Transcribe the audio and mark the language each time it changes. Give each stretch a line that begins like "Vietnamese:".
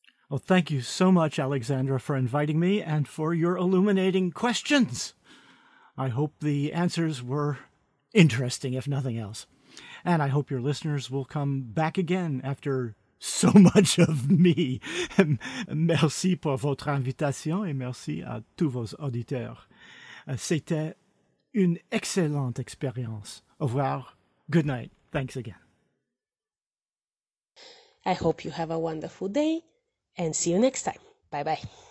English: Well, thank you so much, Alexandra, for inviting me and for your illuminating questions. I hope the answers were interesting, if nothing else. And I hope your listeners will come back again after so much of me.
French: Merci pour votre invitation et merci à tous vos auditeurs. C'était une excellente expérience. Au revoir.
English: Good night. Thanks again. I hope you have a wonderful day and see you next time. Bye-bye.